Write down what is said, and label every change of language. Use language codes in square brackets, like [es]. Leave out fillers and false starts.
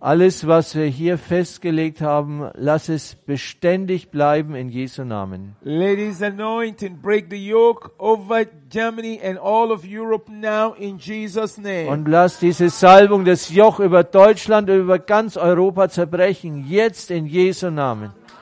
[de] Alles, was wir hier festgelegt haben, lass es beständig bleiben in Jesu Namen. [en] Ladies, anoint and break the yoke over Germany and all of Europe now in Jesus' name. [de] Und lass diese Salbung, das Joch über Deutschland und über ganz Europa zerbrechen, jetzt in Jesu Namen.